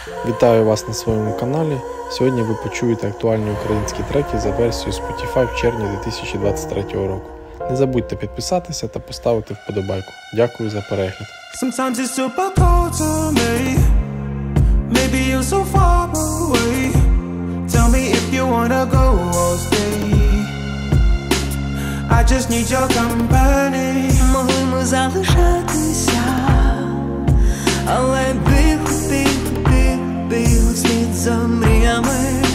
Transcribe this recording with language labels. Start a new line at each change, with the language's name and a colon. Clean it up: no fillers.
Ukrainian: Вітаю вас на своєму каналі. Сьогодні ви почуєте актуальні українські треки за версією Spotify в червні 2023 року. Не забудьте підписатися та поставити вподобайку. Дякую за перегляд.
English: Sometimes it's super cold to me. Maybe you're so far away. Tell me if you wanna go or stay. I just need your company.
Ukrainian: Могли ми залишатися, але біг слід за мріями.